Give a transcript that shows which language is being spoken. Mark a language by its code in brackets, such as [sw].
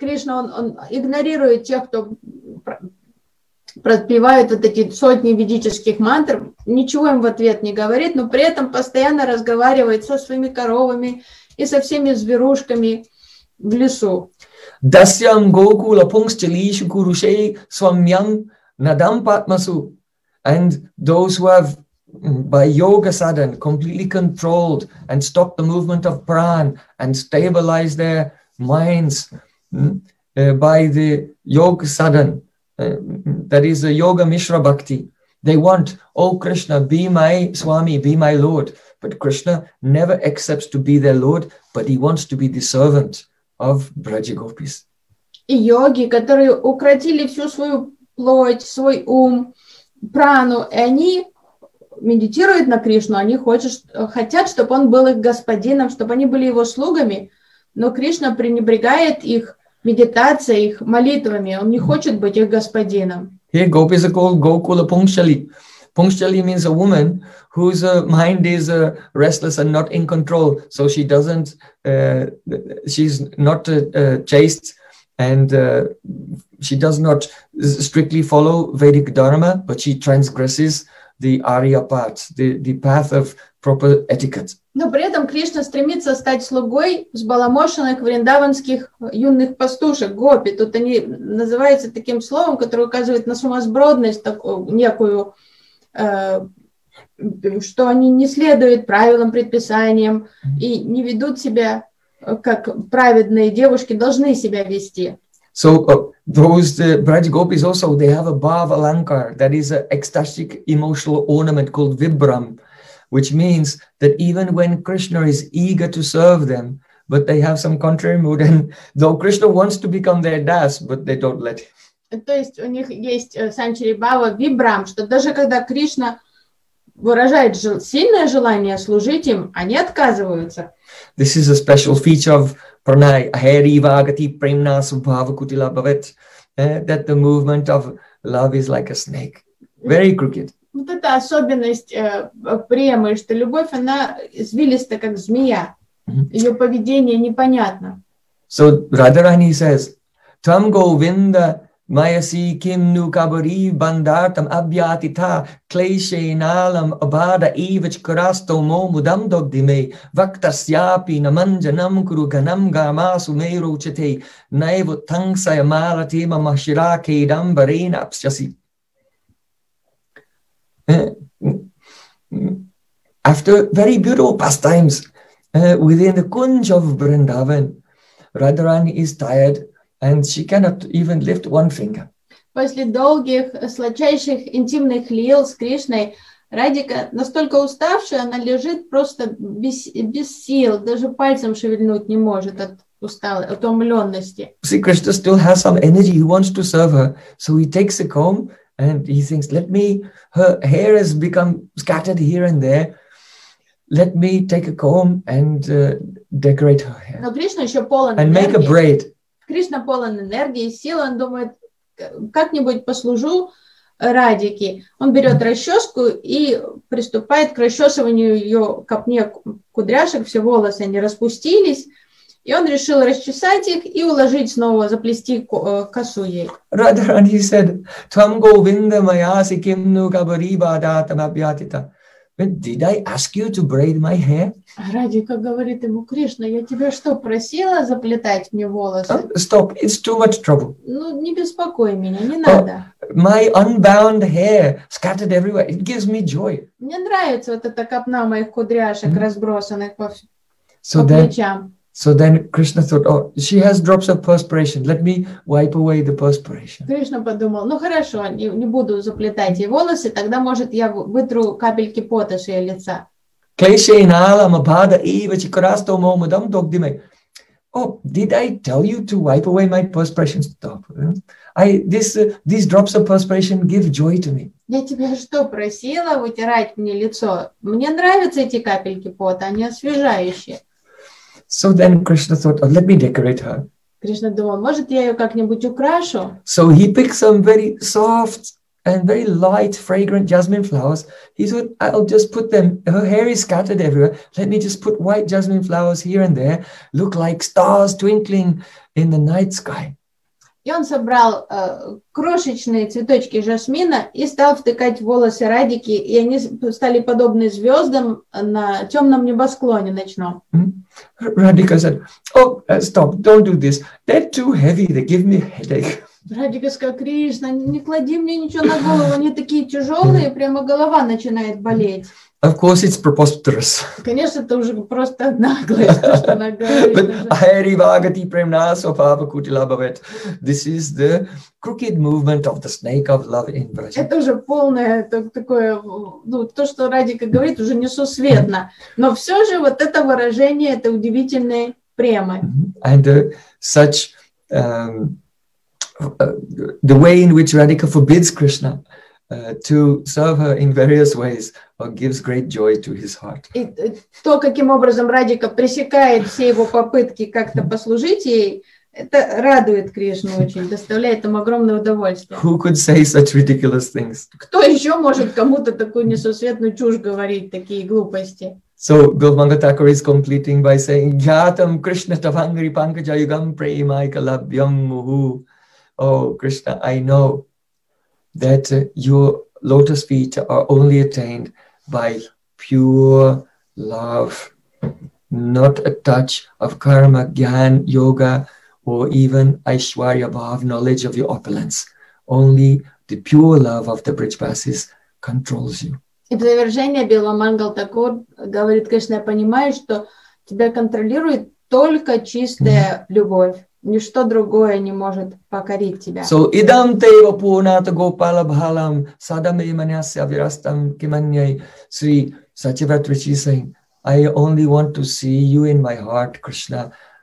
[ru] Вот Кришна, он игнорирует тех, кто проспевают вот эти сотни ведических мантр, ничего им в ответ не говорит, но при этом постоянно разговаривает со своими коровами и со всеми зверушками в лесу. [sa] Дасьям гокула пунгсчалишу курушей свамьям надам патмасу. [en] And those who have by yoga sadhan completely controlled and stopped the movement of pran and stabilized their minds by the yoga sadhan, that is a yoga mishra bhakti. They want, oh Krishna, be my Swami, be my Lord. But Krishna never accepts to be their Lord, but he wants to be the servant of Braja Gopis. [ru] И йоги, которые укротили всю свою плоть, свой ум, прану, и они медитируют на Кришну, они хотят, чтобы он был их господином, чтобы они были его слугами, но Кришна пренебрегает их медитация их молитвами, он не хочет быть их господином. [en] Here gopis are called gokula pungshali. Pungshali means a woman whose mind is restless and not in control, so she doesn't, she's not chaste, and she does not strictly follow Vedic dharma, but she transgresses the arya path, the path of proper etiquette. [ru] Но при этом Кришна стремится стать слугой взбаламошенных вриндаванских юных пастушек, гопи. Тут они называются таким словом, которое указывает на сумасбродность такую, некую, что они не следуют правилам, предписаниям и не ведут себя, как праведные девушки должны себя вести. [en] So those Braj gopis also, they have a bhava alankar, that is an ecstatic emotional ornament called vibram, which means that even when Krishna is eager to serve them, but they have some contrary mood, and though Krishna wants to become their das, but they don't let him. [ru] То есть у них есть санчари бава вибрам, что даже когда Кришна выражает сильное желание служить им, они отказываются. [en] This is a special feature of pranay, [sa] ahari vagati premna subhava kutila bhavet, [en] that the movement of love is like a snake, very crooked. [ru] Вот это особенность премы, что любовь, она извилиста, как змея. Ее поведение непонятно. [en] So Radharani says, [sa] Tam govinda mayasi kim nu kabari bandartam abhyatita kleshe nalam abhada evich karasto mo mudam dogdime vaktasyapi namanjanam kuru ganam gamasu meiro chete naivu tangsaya marati mamashirake dambarena apsyasi. [en] After very beautiful pastimes within the kunj of Vrindavan, Radharani is tired and she cannot even lift one finger. [ru] После долгих, сладчайших, интимных лил с Кришной, Радика настолько уставшая, она лежит просто без сил, даже пальцем шевельнуть не может от усталости, от утомленности. [en] See, Krishna still has some energy, he wants to serve her, so he takes a comb. And he thinks, let me, her hair has become scattered here and there. Let me take a comb and decorate her hair. [ru] Но Кришна еще полон энергии. [en] And make a braid. [ru] Кришна полон энергии, сил. Он думает, как-нибудь послужу Радике. Он берет расческу и приступает к расчесыванию ее копне кудряшек. Все волосы, они распустились. И он решил расчесать их и уложить снова, заплести косу ей. [en] Радхарани said, [sa] Tvam govinda mayasi kimnu kabari badatam abhyatita. [en] But did I ask you to braid my hair? [ru] Радика говорит ему: Кришна, я тебя что, просила заплетать мне волосы? [en] Stop, it's too much trouble. [ru] Ну, не беспокой меня, не надо. [en] My unbound hair scattered everywhere, it gives me joy. [ru] Мне нравится вот эта копна моих кудряшек, mm-hmm. разбросанных по плечам. [en] So then Krishna thought, oh, she has drops of perspiration. Let me wipe away the perspiration. [ru] Кришна подумал, ну хорошо, не буду заплетать ей волосы, тогда, может, я вытру капельки пота с ее лица. [sa] Клешейнала мабада ива чикарасто мо мадам догдиме. [en] Oh, did I tell you to wipe away my perspiration? Stop. These drops of perspiration give joy to me. [ru] Я тебя что, просила вытирать мне лицо? Мне нравятся эти капельки пота, они освежающие. [en] So then Krishna thought, oh, let me decorate her. [ru] Кришна думал, может, я ее как-нибудь украшу? [en] So he picked some very soft and very light, fragrant jasmine flowers. He thought, I'll just put them, her hair is scattered everywhere. Let me just put white jasmine flowers here and there, look like stars twinkling in the night sky. [ru] И он собрал крошечные цветочки жасмина и стал втыкать волосы Радики, и они стали подобны звездам на темном небосклоне ночном. [en] Mm-hmm. Radhika said, "Oh, stop! Don't do this. They're too heavy. They give me headache." [ru] Radhika сказала, "Кришна, не клади мне ничего на голову. Они такие тяжелые, прямо голова начинает болеть." [en] Of course, it's preposterous. [ru] Конечно, это уже просто наглость, что она говорит. [sa] But Hari Vagati Premnaso Papa Kutila Bhavet. [en] This is the crooked movement of the snake of love in Braj. [ru] Это уже полное такое, ну, то, что Радика говорит, уже несусветно. Но все же вот это выражение, это удивительные премы. [en] And such the way in which Radhika forbids Krishna to serve her in various ways or gives great joy to his heart. [ru] И то, каким образом Радика пресекает все его попытки как-то послужить ей, это радует Кришну очень, доставляет ему огромное удовольствие. [en] Who could say such ridiculous things? [ru] Кто еще может кому-то такую несусветную чушь говорить, такие глупости? [en] So Govmanga Thakur is completing by saying, [sa] Jatam Krishna Tavangri Pankaja Yugam Premaika Labhyam Muhu. [en] Oh, Krishna, I know that your lotus feet are only attained by pure love, not a touch of karma, jnana, yoga, or even aishwarya bhav, knowledge of your opulence. Only the pure love of the bridge passes controls you. [ru] И в завершение Беломангал Такур говорит, Кришна, я понимаю, что тебя контролирует только чистая любовь. Ничто другое не может покорить тебя. [sa] So idam teva purnata gopala bhalam sadame manasya virastam kimanyai [en] Sri Sachivrat Rishi saying, I only want to see you in my heart, Krishna.